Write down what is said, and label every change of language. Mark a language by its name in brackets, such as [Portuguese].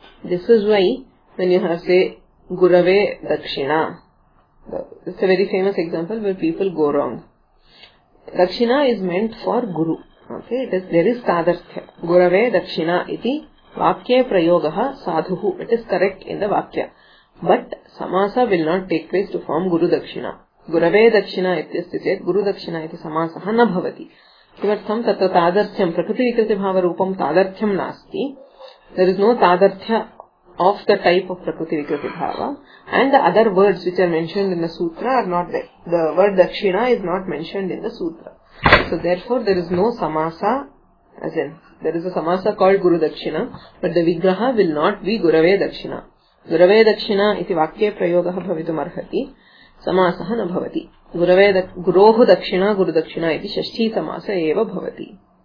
[English] This is why when you have say gurave dakshina, it's a very famous example where people go wrong. Dakshina is meant for guru. Okay, it is, there is tadarthya. [Sanskrit] Gurave dakshina iti vakye prayogaha sadhuhu. [English] It is correct in the vakya. But samasa will not take place to form guru dakshina. [Sanskrit] गुरवे दक्षिणा इत्यस्ति चेत् गुरु दक्षिणा इति समासः न भवति. किमर्थं? तत्र तादर्थ्यं प्रकृति विकृति भाव रूपं तादर्थ्यं नास्ति. [English] There is no tadarthya of the type of prakriti vikriti bhava and the other words which are mentioned in the sutra are not there. The word dakshina is not mentioned in the sutra. So therefore there is no samasa as in there is a samasa called guru dakshina but the vigraha will not be gurave dakshina. [Sanskrit] Gurave dakshina iti vakye prayogah bhavitum arhati, samasah na bhavati. Gurave guruhu dakshina guru dakshina iti shashti samasa eva bhavati.